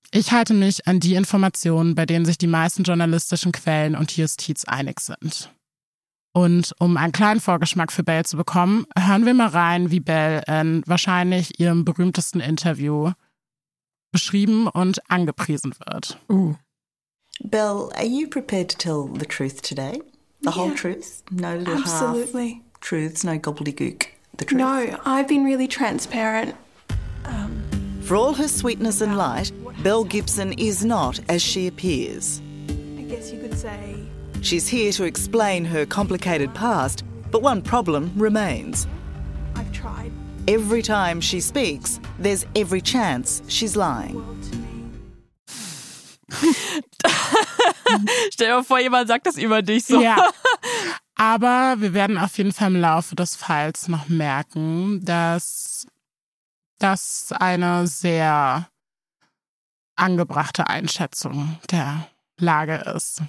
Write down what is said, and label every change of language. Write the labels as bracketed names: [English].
[German] Ich halte mich an die Informationen, bei denen sich die meisten journalistischen Quellen und die Justiz einig sind. Und um einen kleinen Vorgeschmack für Belle zu bekommen, hören wir mal rein, wie Belle in wahrscheinlich ihrem berühmtesten Interview beschrieben und angepriesen wird. [English] Belle, are you prepared to tell the truth today? The whole truth? No little Absolutely. Half truths, no gobbledygook. No, I've been really transparent. For all her sweetness and light, Belle Gibson is not as she appears. I guess you could say... She's here to explain her complicated past, but one problem remains. I've tried. Every time she speaks, there's every chance she's lying. [German] Stell dir vor, jemand sagt das über dich so. [English] Yeah. [German] Aber wir werden auf jeden Fall im Laufe des Falls noch merken, dass das eine sehr angebrachte Einschätzung der Lage ist.